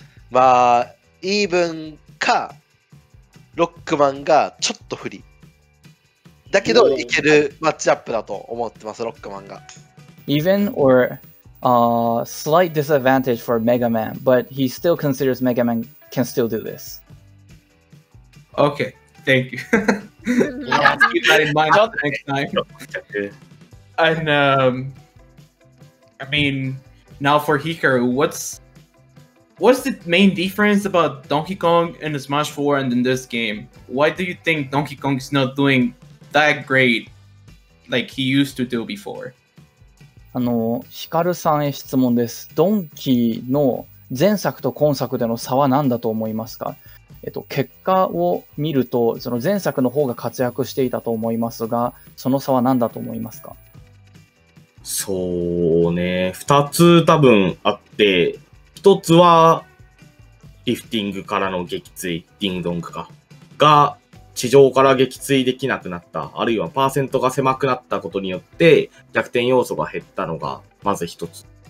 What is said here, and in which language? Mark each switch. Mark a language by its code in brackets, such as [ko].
[ja] まあ、イーブンか、ロックマンがちょっと不利。だけど、いけるマッチアップだと思ってます、ロックマンが。 [en] Even or... slight disadvantage for Mega Man, but he still considers Mega Man can still do this. Okay, thank you. I'll keep that in mind next time. And, I mean, now for Hikaru, what's the main difference about Donkey Kong in Smash 4 and in this game? Why do you think Donkey Kong is not doing that great like he used to do before? [ja] あのヒカルさんへ質問です。ドンキーの前作と今作での差は何だと思いますか。結果を見るとその前作の方が活躍していたと思いますが、その差は何だと思いますか。そうね、2つ多分あって、1つはリフティングからの撃墜、ディングドンクかが地上から撃墜できなくなった、あるいはパーセントが狭くなったことによって逆転要素が減ったのがまず一つ